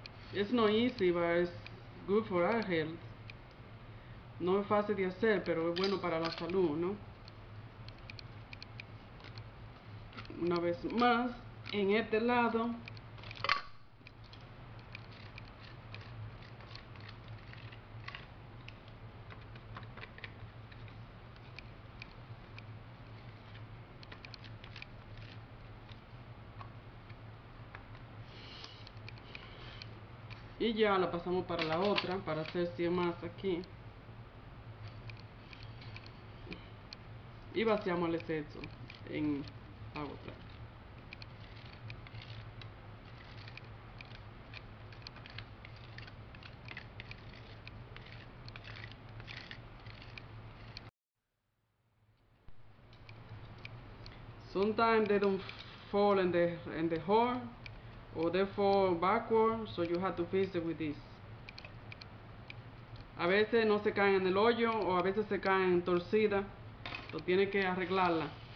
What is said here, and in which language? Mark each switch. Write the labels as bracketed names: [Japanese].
[English] It's not easy, but it's good for our health. [Spanish] No es fácil de hacer, pero es bueno para la salud, ¿no? Una vez más, en este lado. Y ya la pasamos para la otra, para hacer 100 más aquí. y vaciamos el exceso en agua clara. [English] Sometimes they don't fall in the hole, or they fall backward, so you have to fix it with this. [Spanish] A veces no se caen en el hoyo, o a veces se caen torcida, entonces tienes que arreglarla.